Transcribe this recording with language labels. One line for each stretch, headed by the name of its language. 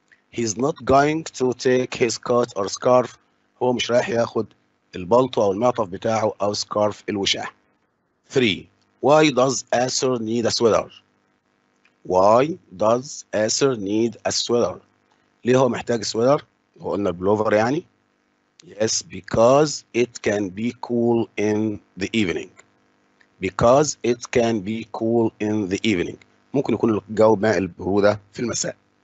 English: He's not going to take his coat or scarf.
Arabic: هو مش رايح ياخد البلطو أو المعطف بتاعه أو سكارف الوشاح.
English: 3. Why does Asir need a sweater? Why does Asir need a sweater?
Arabic: ليه هو محتاج sweater؟ هو قلنا بلوفر يعني.
English: Yes, because it can be cool in the evening. Because it can be cool in the evening.
Arabic: ممكن يكون الجو مع البرودة في المساء.